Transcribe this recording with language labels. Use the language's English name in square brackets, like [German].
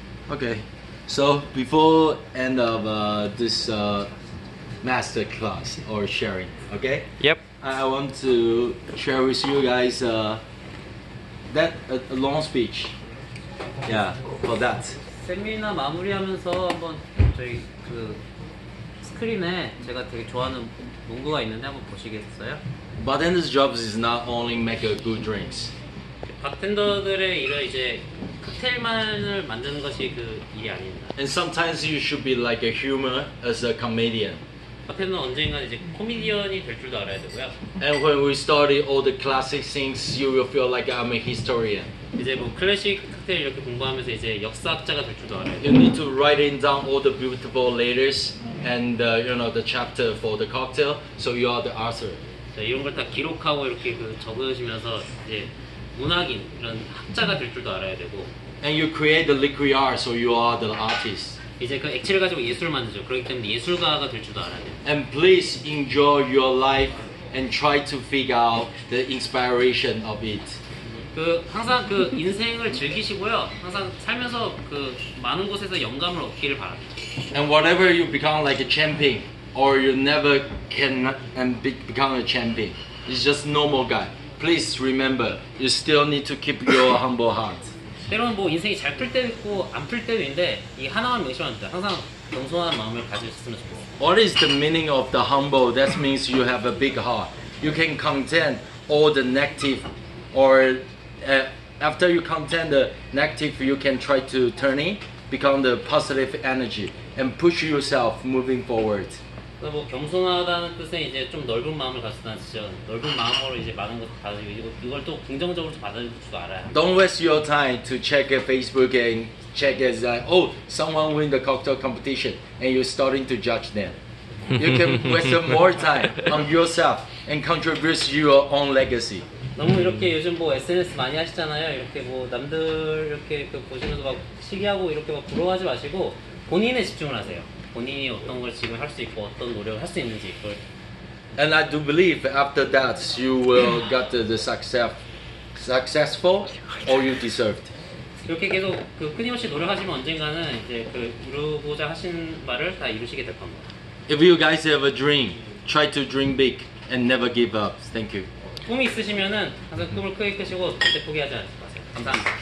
[English] Okay, so before end of this. Master class or sharing, okay? Yep. I want to share with you guys that a long speech. Yeah, for that. [Korean] 세미나 마무리하면서 한번 저희 그 스크린에 제가 되게 좋아하는 문구가 있는데 한번 보시겠어요? [English] Bartender's job is not only make a good drinks. [Korean] 바텐더들의 일은 이제 칵테일만을 만드는 것이 그 일이 아닙니다. [English] And sometimes you should be like a humor as a comedian. [Korean] 바텐더는 언젠간 이제 코미디언이 될 줄도 알아야 되고요. [English] And when we study all the classic things, you will feel like I'm a historian. [Korean] 이제 뭐 클래식 칵테일 이렇게 공부하면서 이제 역사학자가 될 줄도 알아요. [English] You need to write in down all the beautiful letters and you know the chapter for the cocktail, so you are the author. [Korean] 자, 이런 걸 다 기록하고 이렇게 그 적으시면서 이제 문학인 이런 학자가 될 줄도 알아야 되고. [English] And you create the liquid art, so you are the artist. [Korean] 이제 그 액체를 가지고 예술을 만드죠. 그렇기 때문에 예술가가 될 줄도 알아야 돼요. [English] And please enjoy your life and try to figure out the inspiration of it. [Korean] 그 항상 그 인생을 즐기시고요. 항상 살면서 그 많은 곳에서 영감을 얻기를 바랍니다. [English] And whatever you become like a champion or you never can and become a champion. It's just normal guy. Please remember you still need to keep your humble heart. [Korean] 때로는 뭐 인생이 잘 풀 때도 있고 안 풀 때도 있는데 이 하나만 명심합니다. 항상 겸손한 마음을 가지셨으면 좋겠고. [English] What is the meaning of the humble? That means you have a big heart. You can contain all the negative, or after you contain the negative, you can try to turn it, become the positive energy, and push yourself moving forward. [Korean] 뭐 겸손하다는 뜻은 이제 좀 넓은 마음을 가졌다는 뜻이죠. 넓은 마음으로 이제 많은 것을 가지고 이걸 또 긍정적으로 받아들일 줄 알아요. [English] Don't waste your time to check Facebook and check as like, oh, someone win the cocktail competition and you're starting to judge them. You can waste more time on yourself and contribute your own legacy. [Korean] 너무 이렇게 요즘 뭐 SNS 많이 하시잖아요. 이렇게 뭐 남들 이렇게 그 보시면서 막 시기하고 이렇게 막 부러워하지 마시고 본인에 집중을 하세요. 본인이 어떤 걸 지금 할 수 있고 어떤 노력을 할 수 있는지 그걸. [English] And I do believe after that you will get the successful or you deserved. [Korean] 이렇게 계속 그 끊임없이 노력하시면 언젠가는 이제 그 이루고자 하신 말을 다 이루시게 될 겁니다. [English] If you guys have a dream, try to dream big and never give up. Thank you. [Korean] 꿈이 있으시면은 항상 꿈을 크게 크시고 절대 포기하지 마세요. 감사합니다.